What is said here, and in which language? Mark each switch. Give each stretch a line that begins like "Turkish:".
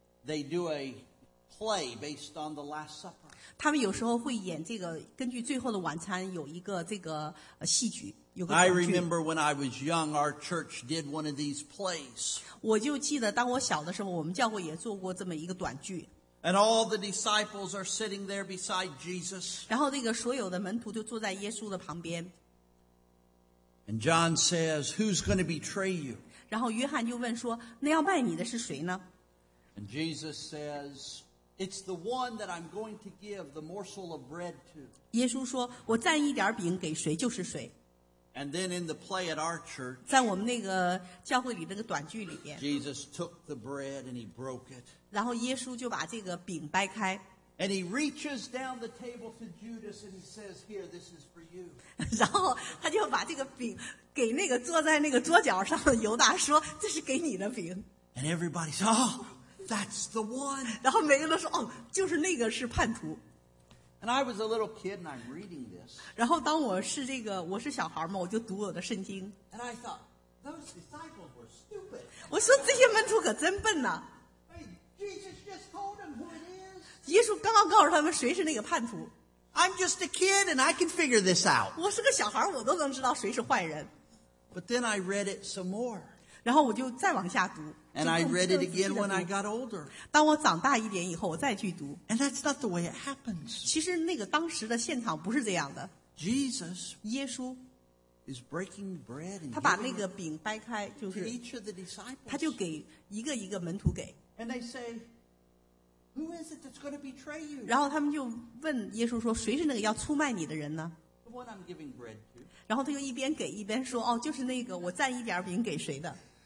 English: they do a play based on the Last Supper.
Chinese: 他们有时候会演这个，根据最后的晚餐有一个这个戏剧。
English: I remember when I was young, our church did one of these plays.
Chinese: 我就记得当我小的时候，我们教会也做过这么一个短剧。
English: And all the disciples are sitting there beside Jesus.
Chinese: 然后那个所有的门徒就坐在耶稣的旁边。
English: And John says, "Who's going to betray you?"
Chinese: 然后约翰就问说，那要卖你的是谁呢？
English: And Jesus says, "It's the one that I'm going to give the morsel of bread to."
Chinese: 耶稣说，我蘸一点饼给谁就是谁。
English: And then in the play at our church,
Chinese: 在我们那个教会里那个短剧里边
English: Jesus took the bread and he broke it.
Chinese: 然后耶稣就把这个饼掰开
English: And he reaches down the table to Judas and he says, "Here, this is for you."
Chinese: 然后他就把这个饼给那个坐在那个桌角上的犹大说，这是给你的饼
English: And everybody says, "Oh, that's the one."
Chinese: 然后每个人都说，哦，就是那个是叛徒。
English: And I was a little kid, and I'm reading this.
Chinese: 然后当我是这个我是小孩嘛，我就读我的圣经。
English: And I thought those disciples were stupid.
Chinese: 我说这些门徒可真笨呐。
English: Hey, Jesus just told them who it is.
Chinese: 耶稣刚刚告诉他们谁是那个叛徒。
English: I'm just a kid, and I can figure this out.
Chinese: 我是个小孩，我都能知道谁是坏人。
English: But then I read it some more.
Chinese: 然后我就再往下读。
English: And I read it again when I got older.
Chinese: 当我长大一点以后，我再去读。
English: And that's not the way it happens.
Chinese: 其实那个当时的现场不是这样的。
English: Jesus,
Chinese: 耶稣
English: is breaking bread.
Chinese: 他把那个饼掰开，就是
English: to each of the disciples.
Chinese: 他就给一个一个门徒给。
English: And they say, "Who is it that's going to betray you?"
Chinese: 然后他们就问耶稣说，谁是那个要出卖你的人呢？
English: The one I'm giving bread to.
Chinese: 然后他就一边给一边说，哦，就是那个我蘸一点饼给谁的。